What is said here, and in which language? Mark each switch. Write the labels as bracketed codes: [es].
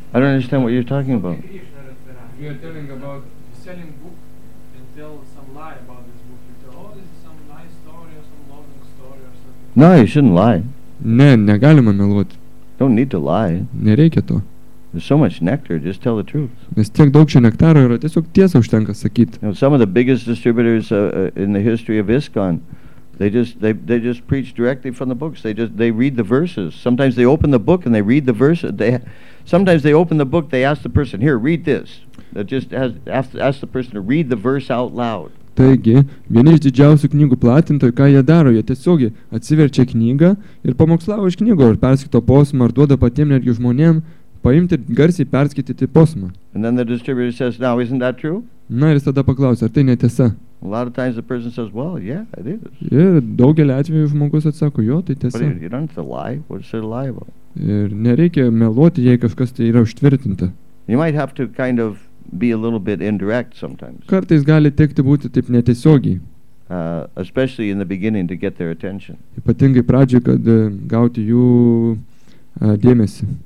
[en] I don't understand what you're talking about. We are telling about selling book and tell some lie about this book. You tell, oh, this is some nice story or some loving story or something. No, you shouldn't lie. [lt] Ne, negalima meluot. [en] Don't need to lie. [lt] Nereikia to. [en] There's so much nectar, just tell the truth. [lt] Nes tiek daug čia nektaro yra, tiesiog tiesą užtenka sakyti. [en] You know, some of the biggest distributors in the history of ISKCON, they just preach directly from the books. They read the verses. Sometimes they open the book and they read the verses. Sometimes they open the book, they ask the person, here, read this. They just ask the person to read the verse out loud. [lt] Taigi, vieni iš didžiausių knygų platintojų, ką jie daro, jie tiesiog atsiverčia knygą ir pamokslavo iš knygų, ir perskito posmą, ar duoda patiem netgi žmonėm, paimti garsiai perskaityti posmą. [en] And then the distributor says, now isn't that true? [lt] Na, ir jis tada paklausė, ar tai netiesa? [en] A lot of times the person says, well, yeah, it is. [lt] Ir daugelį atvejų žmogus atsako, jo, tai tiesa. [en] But you don't have to lie, what's it lie about? [lt] Ir nereikia meluoti, jei kažkas tai yra užtvirtinta. [en] You might have to kind of be a little bit indirect sometimes. [lt] Kartais gali tekti būti taip netiesiogiai. [en] Especially in the beginning to get their attention. [lt] Ypatingai pradžioje, kad gauti jų dėmesį.